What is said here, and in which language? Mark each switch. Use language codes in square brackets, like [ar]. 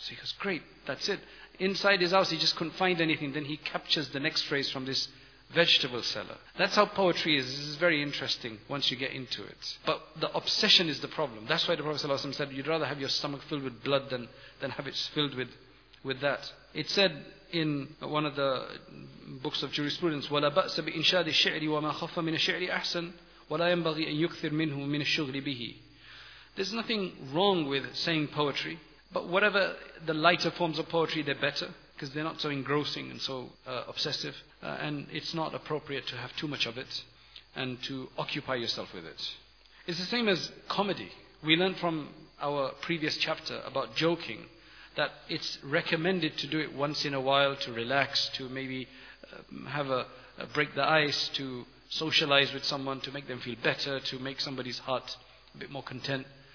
[en] So he goes, great, that's it. Inside his house, he just couldn't find anything. Then he captures the next phrase from this vegetable seller. That's how poetry is. This is very interesting once you get into it. But the obsession is the problem. That's why the Prophet ﷺ said, you'd rather have your stomach filled with blood than have it filled with that. It said in one of the books of jurisprudence, [ar] وَلَا بَأْسَ بِإِنْشَادِ الشِّعْرِ وَمَا خَفَّ مِنَ الشِّعْرِ أَحْسَنِ وَلَا يَنْبَغِي أَنْ يُكْثِرْ مِنْهُ مِنَ الشُّغْلِ بِهِ. [en] There's nothing wrong with saying poetry, but whatever the lighter forms of poetry, they're better, because they're not so engrossing and so obsessive, and it's not appropriate to have too much of it, and to occupy yourself with it. It's the same as comedy. We learned from our previous chapter about joking, that it's recommended to do it once in a while, to relax, to maybe have a break the ice, to socialize with someone, to make them feel better, to make somebody's heart a bit more content.